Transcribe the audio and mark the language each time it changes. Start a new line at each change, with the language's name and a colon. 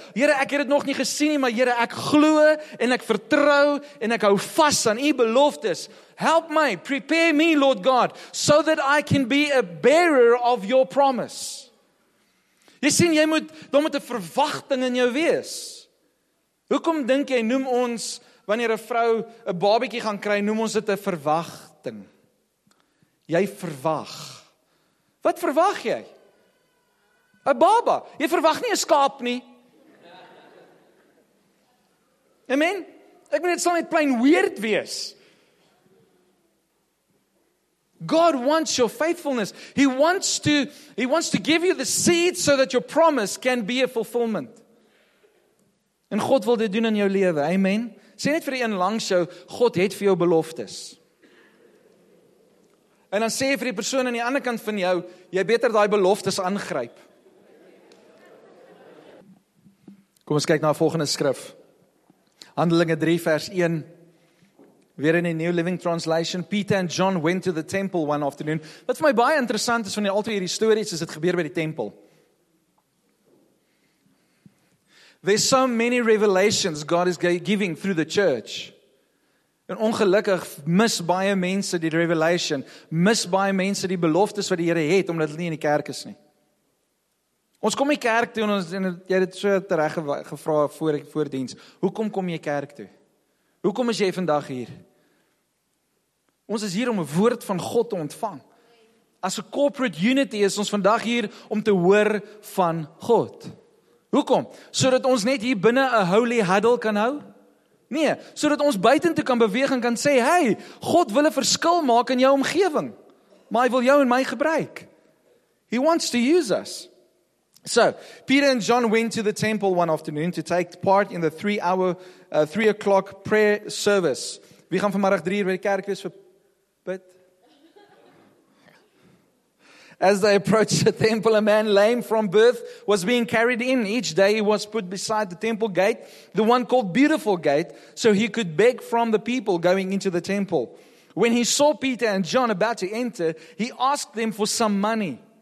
Afrikaans: Here, ek het dit nog nie gesien nie, maar Here, ek glo en ek vertrou en ek hou vas aan U beloftes. Help my,
English: prepare me Lord God, so that I can be a bearer of your promise.
Afrikaans: Jy sien, jy moet, daar moet 'n verwagting in jou wees. Hoekom dink jy, noem ons, wanneer 'n vrou 'n babietjie gaan kry, noem ons dit 'n verwagting? Jy verwag. Wat verwag jy? 'N Baba. Jy verwag nie 'n skaap nie. Amen? Ek bedoel, dit sal net
English: plain weird
Afrikaans: wees.
English: God wants your faithfulness. He wants to give you the seed so that your promise can be a fulfillment.
Afrikaans: En God wil dit doen in jou lewe. Amen. Sê net vir die een langs jou, God het vir jou beloftes. En dan sê vir die persoon aan die ander kant van jou, jy beter daai beloftes aangryp. Kom ons kyk na 'n volgende skrif. Handelinge 3 vers 1. Weer in die
English: New Living Translation, Peter and John went to the temple one afternoon.
Afrikaans: Wat vir my baie interessant is van die altyd hierdie stories, is dit gebeur by die tempel.
English: There's so many revelations God is giving through the church.
Afrikaans: En ongelukkig mis baie mense die revelation, mis baie mense die beloftes wat die Here het, omdat hulle nie in die kerk is nie. Ons kom die kerk toe, en jy het so tereg gevra voor diens, hoekom kom jy kerk toe? Hoekom is jy vandag hier? Ons is hier om 'n woord van God te ontvang. As 'n
English: corporate unity
Afrikaans: is ons vandag hier om te hoor van God. Hoekom? Sodat ons net hier binne 'n
English: holy huddle
Afrikaans: kan hou? Nee, sodat ons buitentoe kan beweeg en kan sê, "Hey, God wil 'n verskil maak in jou omgewing. Maar hy wil jou en my gebruik."
English: He wants to use us. So, Peter and John went to the temple one afternoon to take part in the 3 o'clock prayer service.
Afrikaans: Wie gaan vanmiddag 3:00 by die kerk wees vir bid?
English: As they approached the temple, a man lame from birth was being carried in. Each day he was put beside the temple gate, the one called Beautiful Gate, so he could beg from the people going into the temple. When he saw Peter and John about to enter, he asked them for some money.